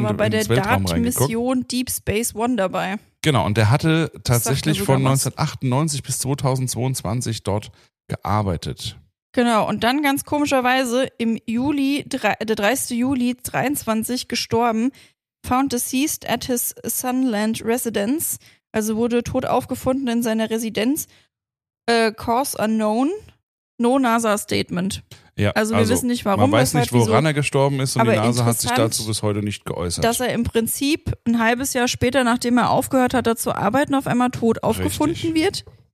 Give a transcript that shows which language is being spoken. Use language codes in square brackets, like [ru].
[de] Weltraum reingeguckt. Der war bei der DART-Mission Deep Space One dabei. Genau, und der hatte tatsächlich von 1998 bis 2022 dort gearbeitet. Genau, und dann ganz komischerweise im Juli, der 30. Juli 2023 gestorben, [en] found deceased at his Sunland residence. [de] Also wurde tot aufgefunden in seiner Residenz. [en] Cause unknown. No NASA Statement. [de] Ja, also wir wissen nicht, warum. Man weiß nicht, woran er gestorben ist, und die NASA hat sich dazu bis heute nicht geäußert. Dass er im Prinzip ein halbes Jahr später, nachdem er aufgehört hat, dazu arbeiten, auf einmal tot aufgefunden wird.